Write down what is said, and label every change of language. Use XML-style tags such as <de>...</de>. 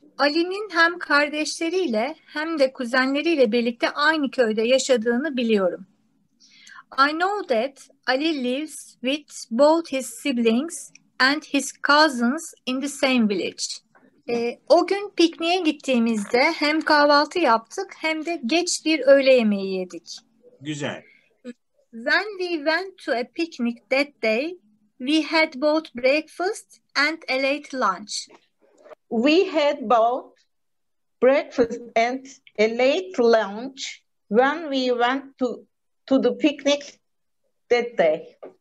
<tr>Ali'nin hem kardeşleriyle hem de kuzenleriyle birlikte aynı köyde yaşadığını biliyorum.</tr> <en>I know that Ali lives with both his siblings and his cousins in the same village.</en> <tr>O gün pikniğe gittiğimizde hem kahvaltı yaptık hem de geç bir öğle yemeği yedik. Güzel.</tr> <en>When we went to a picnic that day, we had both breakfast and a late lunch. We had both breakfast and a late lunch when we went to the picnic that day.</en>